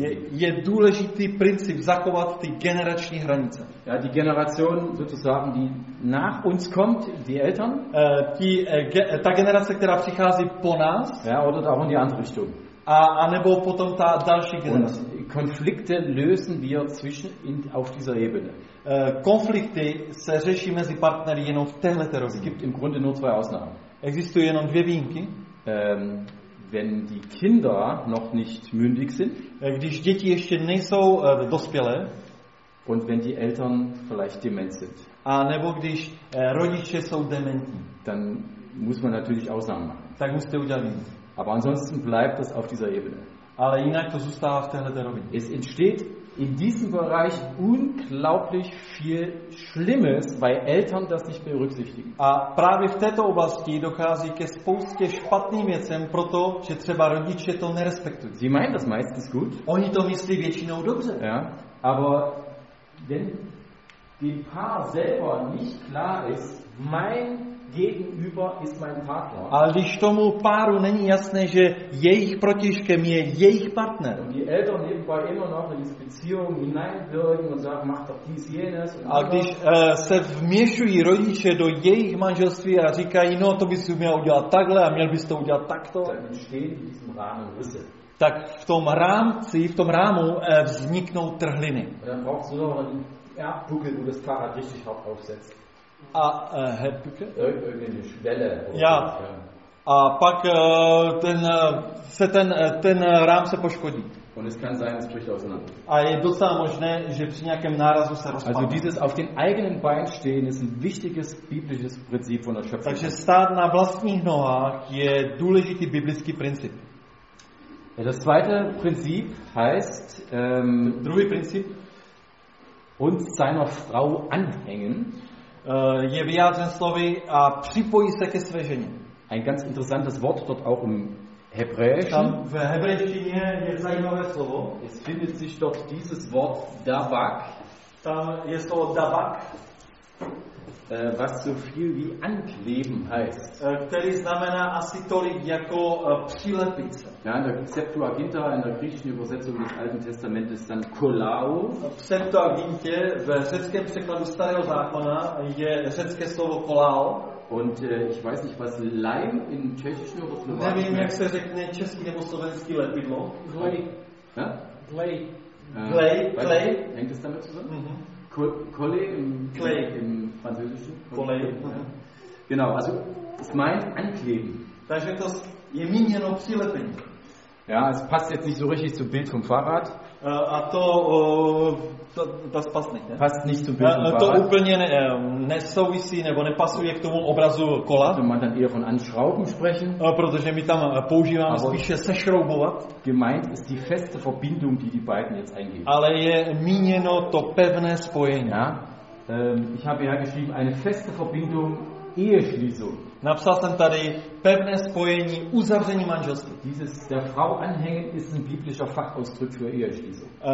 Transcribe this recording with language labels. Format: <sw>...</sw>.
<cs>Je důležitý princip zachovat ty generační hranice.</cs> <de>Die Generation sozusagen, die nach uns kommt, die Eltern.</de> <cs>Ta generace, která přichází po nás.</cs> <de>Oder auch in die andere Richtung.</de> <cs>A nebo potom ta další generace.</cs> <de>Konflikte lösen wir zwischen auf dieser Ebene.</de> <cs>Konflikty se řeší mezi partnery jenom v téhleté rovině.</cs> <de>Es gibt im Grunde nur zwei Ausnahmen.</de> <cs>Existují jenom dvě výjimky.</cs> <de>Wenn die Kinder noch nicht mündig sind,</de> <cs>když děti ještě nejsou dospělé,</cs> <de>und wenn die Eltern vielleicht dement sind.</de> <cs>A nebo když rodiče jsou dementní,</cs> <de>dann muss man natürlich Ausnahmen machen.</de> <cs>Tak musíte udělat výjimky.</cs> <de>Aber ansonsten bleibt es auf dieser Ebene.</de> <cs>Ale jinak to zůstává v téhleté rovině.</cs> <de>Es entsteht in diesem Bereich unglaublich viel Schlimmes, weil Eltern das nicht berücksichtigen.</de> <cs>A právě v této oblasti dochází ke spoustě špatným věcem, protože třeba rodiče to nerespektují.</cs> <de>Sie meinen das meistens gut.</de> <cs>Oni to myslí většinou dobře.</cs> <de>Ja, aber wenn dem Paar selber nicht klar ist, mein Gegenüber ist mein Partner.</de> <cs>Ale když tomu páru není jasné, že jejich protižkem je jejich partner.</cs> <de>Und die Eltern nebenbei immer noch in diese Beziehung hineinwirken und sagen, mach doch dies jenes.</de> <cs>A když se vměšují rodiče do jejich manželství a říkají, no to bys měl udělat takhle a měl bys to udělat takto.</cs> <de>Dann entstehen in diesem Rahmen Risse.</de> <cs>Tak v tom rámci, v tom rámu vzniknou trhliny.</cs> <de>Und dann brauchst du noch einen Erdbuckel, wo das Fahrrad richtig hart aufsetzt.</de> <cs>A Herbuke?</cs> <de>Irgendeine Schwelle.</de> <cs>Ja. A pak ten, se ten, ten rám se poškodí.</cs> <de>Und es kann sein, es bricht auseinander.</de> <cs>A je docela možné, že při nějakém nárazu se rozpadne.</cs> <de>Also dieses auf den eigenen Beinen stehen ist ein wichtiges biblisches Prinzip von der Schöpfung.</de> <cs>Takže stát na vlastních nohách je důležitý biblický princip.</cs> <de>Ja, das zweite Prinzip heißt,</de> <cs>druhý princip,</cs> <de>uns seiner Frau anhängen.</de> <cs>Je vyjádřen slovy a připojí se ke své ženě.</cs> <de>Ein ganz interessantes Wort dort auch im Hebräischen.</de> <cs>V hebrejštině je zajímavé slovo.</cs> <de>Es findet sich dort dieses Wort Dabak.</de> <cs>Tam je slovo Dabak.</cs> <de>Was so viel wie ankleben heißt.</de> <cs>Který znamená asi tolik jako přilepit se.</cs> <de>Ja, in der Septuaginta, in der griechischen Übersetzung des Alten Testamentes dann kolao.</de> <cs>V Septuagintě, v řeckém překladu starého zákona, je řecké slovo kolao.</cs> <de>Und ich weiß nicht, was Leim in tschechischen oder slovenskem.</de> <cs>Nevím, jak se řekne český nebo slovenský lepidlo. Glej.</cs> <de>Ja? Glej. Glej. Glej. Hängt es damit zusammen? Kolle im Clay im Französischen. Kolle. Ja. Genau, also es meint ankleben.</de> <cs>Takže to je míněno přilepení.</cs> <de>Ja, es passt jetzt nicht so richtig zum Bild vom Fahrrad.</de> <cs>A to, to</cs> <de>das passt nicht,</de> <cs>ne?</cs> <de>Passt nicht zum Bild vom Fahrrad.</de> <cs>To úplně ne, nesouvisí nebo nepasuje k tomu obrazu kola.</cs> <de>Da man dann eher von anschrauben sprechen.</de> <cs>Protože my tam používáme spíše sešroubovat.</cs> <de>Gemeint ist die feste Verbindung, die die beiden jetzt eingehen.</de> <cs>Ale je míněno to pevné spojení.</cs> <de>Ja? Ich habe ja geschrieben eine feste Verbindung Eheschließung.</de> <cs>Napsal jsem tady pevné spojení, uzavření manželství.</cs> <de>Dieses der Frau anhängen ist ein biblischer Fachausdruck für Eheschließung.</de>